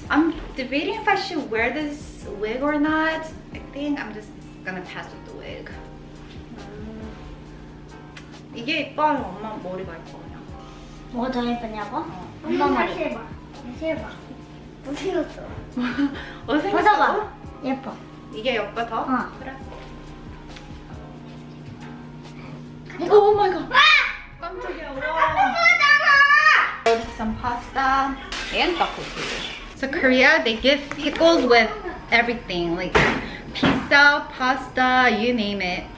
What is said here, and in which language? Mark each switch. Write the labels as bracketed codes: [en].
[en] I'm debating if I should wear this wig or not. I think I'm just gonna pass with the wig. [ko] 이게 예뻐하면 엄마 머리가 예뻐하냐? 뭐가 더 예쁘냐고? 엄마 머리 다시 해봐 다시 해봐 뭐 생겼어? 뭐 생겼어? 웃어봐 예뻐 이게 예뻐 더? 어 그래 오 마이 갓 깜짝이야 와 깜짝이야 여기 [en] some pasta and tteokbokki. So Korea, they give pickles with everything like pizza, pasta, you name it.